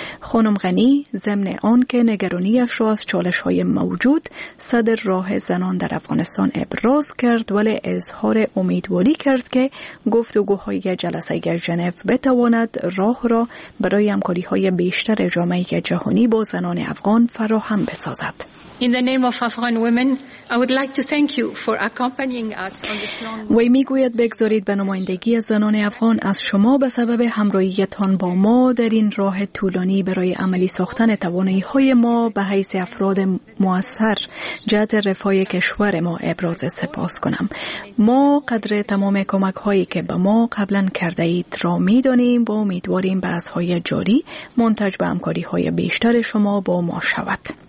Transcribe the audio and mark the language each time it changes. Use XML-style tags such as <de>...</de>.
<fa>خانم غنی ضمن آن که نگرانی اش را از چالش های موجود صدر راه زنان در افغانستان ابراز کرد، ولی اظهار امیدواری کرد که گفتگوهای جلسه ژنو بتواند راه را برای همکاری های بیشتر جامعه جهانی با زنان افغان فراهم بسازد.</fa> <en>In the name of Afghan women, I would like to thank you for accompanying us on this long.</en> <fa>وی میگوید بگذارید به نمایندگی زنان افغان از شما به سبب همراهیتان با ما در این راه طولانی برای عملی ساختن توانایی های ما به حیث افراد مؤثر جهت رفاه کشور ما ابراز سپاس کنم. ما قدر تمام کمک هایی که به ما قبلا کرده اید را میدانیم و امیدواریم بحث‌های جاری منتج به همکاری های بیشتر شما با ما شود.</fa>